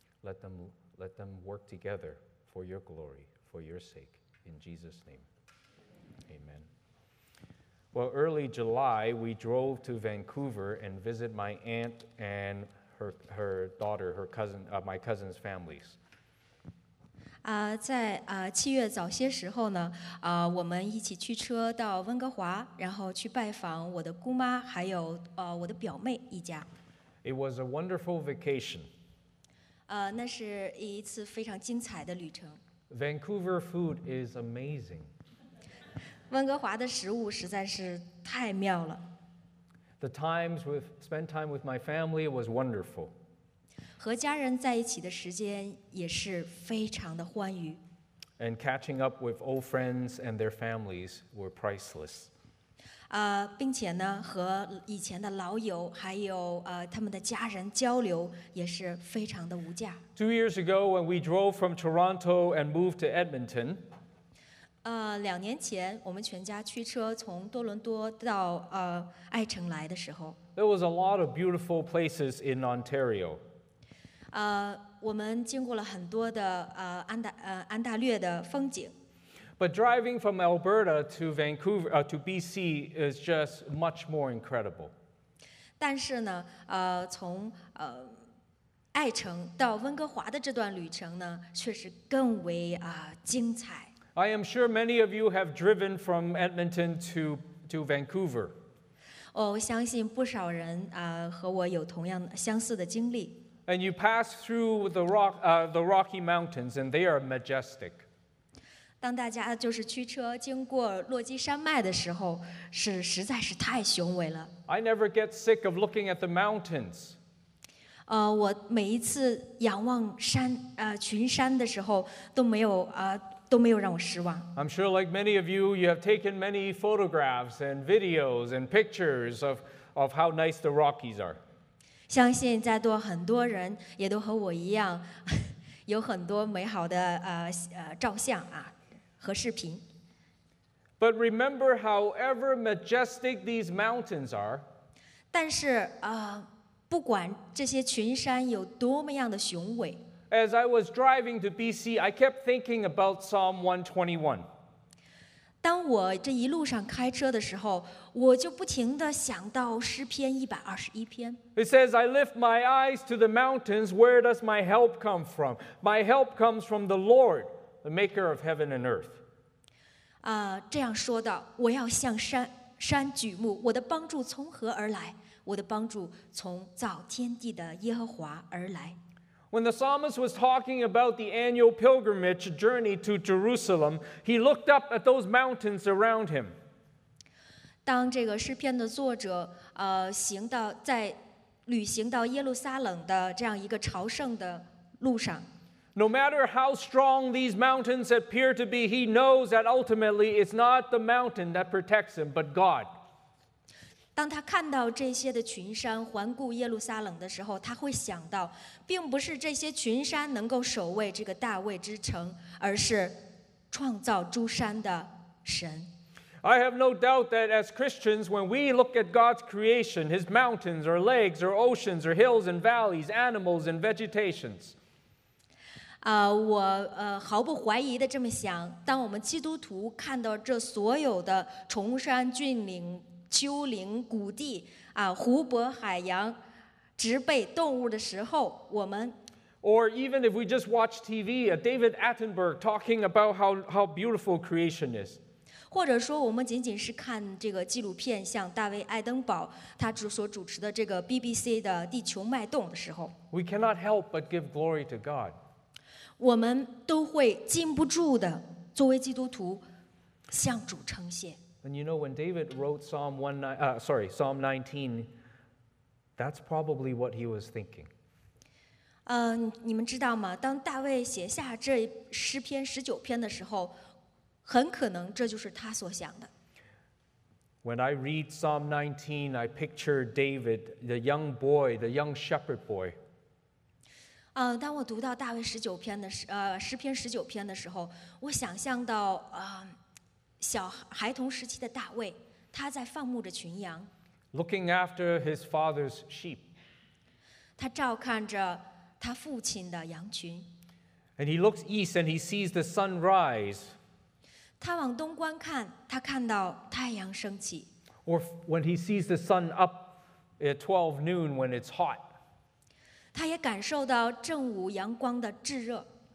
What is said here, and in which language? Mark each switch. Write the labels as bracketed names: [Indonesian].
[English] Let them work together for your glory, for your sake. In Jesus' name, amen. Well, early July, we drove to Vancouver and visit my aunt and her daughter, her cousin, my cousin's families. [Chinese] 在七月早些时候呢，我们一起驱车到温哥华，然后去拜访我的姑妈，还有我的表妹一家。 [English] It was a wonderful vacation. [Chinese] 那是一次非常精彩的旅程。 [English] Vancouver food is amazing. [Chinese] 温哥华的食物实在是太妙了。 [English] The times with spend time with my family was wonderful. [Chinese] 和家人在一起的时间也是非常的欢愉。 [English] And catching up with old friends and their families were priceless. [Chinese] 并且呢，和以前的老友还有他们的家人交流也是非常的无价。 [English] 2 years ago, when we drove from Toronto and moved to Edmonton, [Chinese] 两年前我们全家驱车从多伦多到爱城来的时候 [English] ，There was a lot of beautiful places in Ontario. [Chinese] 我们经过了很多的安大略的风景。 [English] But driving from Alberta to Vancouver, to BC is just much more incredible. [Chinese] 但是呢，从爱城到温哥华的这段旅程呢，确实更为精彩。 [English] I am sure many of you have driven from Edmonton to Vancouver. [Chinese] 我相信不少人和我有同样相似的经历。 [English] And you pass through the Rocky Mountains, and they are majestic. [Chinese] 当大家就是驱车经过落基山脉的时候，是实在是太雄伟了。 [English] I never get sick of looking at the mountains. [Chinese] 我每一次仰望山群山的时候，都没有让我失望。 [English] I'm sure, like many of you, you have taken many photographs and videos and pictures of how nice the Rockies are. [Chinese] 相信在座很多人也都和我一样，有很多美好的照相啊和视频。 [English] But remember, however majestic these mountains are, [Chinese] 但是不管这些群山有多么样的雄伟。 [English] As I was driving to BC, I kept thinking about Psalm 121. [Chinese] 当我这一路上开车的时候，我就不停地想到诗篇一百二十一篇。 [English] It says, "I lift my eyes to the mountains. Where does my help come from? My help comes from the Lord, the Maker of heaven and earth." [Chinese] 这样说道，我要向山举目，我的帮助从何而来？我的帮助从造天地的耶和华而来。 [English] When the psalmist was talking about the annual pilgrimage journey to Jerusalem, he looked up at those mountains around him. [Chinese] 当这个诗篇的作者行到在旅行到耶路撒冷的这样一个朝圣的路上。 [English] No matter how strong these mountains appear to be, he knows that ultimately it's not the mountain that protects him, but God. [Chinese] 当他看到这些的群山环顾耶路撒冷的时候，他会想到，并不是这些群山能够守卫这个大卫之城，而是创造诸山的神。 [English] I have no doubt that as Christians, when we look at God's creation, His mountains, or lakes, or oceans, or hills and valleys, animals and vegetations. [Chinese] 我毫不怀疑的这么想，当我们基督徒看到这所有的崇山峻岭。丘陵谷地啊，湖泊海洋，植被动物的时候，我们 [English] ，or even if we just watch TV, David Attenborough talking about how beautiful creation is， [Chinese] 或者说我们仅仅是看这个纪录片，像大卫·爱登堡他所主持的这个 BBC 的《地球脉动》的时候 [English] ，we cannot help but give glory to God， [Chinese] 我们都会禁不住的作为基督徒向主称谢。 [English] And you know, when David wrote Psalm 19, that's probably what he was thinking. [Chinese] 你们知道吗？当大卫写下这诗篇十九篇的时候，很可能这就是他所想的。 [English] When I read Psalm 19, I picture David, the young boy, the young shepherd boy. [Chinese] 当我读到大卫十九篇的诗篇十九篇的时候，我想象到小孩童时期的大卫，他在放牧着群羊。 [English] Looking after his father's sheep. [Chinese] 他照看着他父亲的羊群。 [English] And he looks east and he sees the sun rise. [Chinese] 他往东观看，他看到太阳升起。 [English] Or when he sees the sun up at 12 noon when it's hot. [Chinese] 他也感受到正午阳光的炙热。